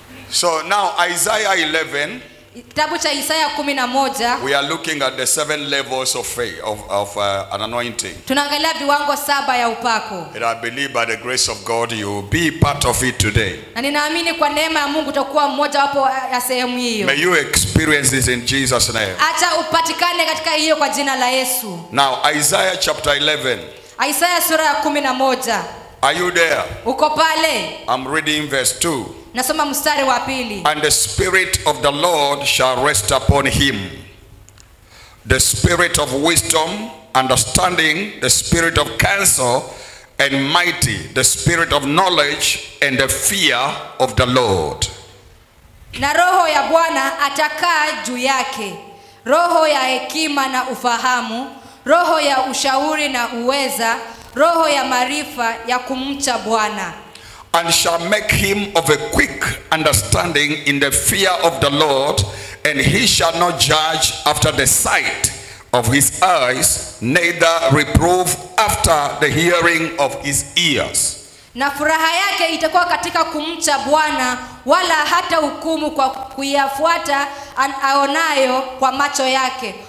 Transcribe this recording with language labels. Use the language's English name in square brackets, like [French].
[English] So now Isaiah 11. [Swahili] Kitabu cha Isaiah 11. [English] We are looking at the seven levels of faith of an anointing. [Swahili] Tunaangalia viwango saba ya upako. [English] And I believe by the grace of God you will be part of it today. [Swahili] Na ninaamini kwa neema ya Mungu utakuwa mmoja wapo ya sehemu hiyo. [English] May you experience this in Jesus' name. [Swahili] Acha upatikane katika hiyo kwa jina la Yesu. [English] Now Isaiah chapter 11. [Swahili] Isaiah sura ya 11. [English] Are you there? [Swahili] Uko pale. [English] I'm reading verse 2. [Swahili] Nasoma mstari wa pili. [English] And the spirit of the Lord shall rest upon him. The spirit of wisdom, understanding, the spirit of counsel and mighty, the spirit of knowledge and the fear of the Lord. [Swahili] Na roho ya Bwana atakaa juu yake. Roho ya hekima na ufahamu, roho ya ushauri na uweza, roho ya maarifa ya kumcha Bwana. [English] And shall make him of a quick understanding in the fear of the Lord, and he shall not judge after the sight of his eyes, neither reprove after the hearing of his ears. [Swahili] Na furaha yake itakuwa katika kumcha Bwana, wala hata hukumu kwa kuyafuata aonayo kwa macho yake.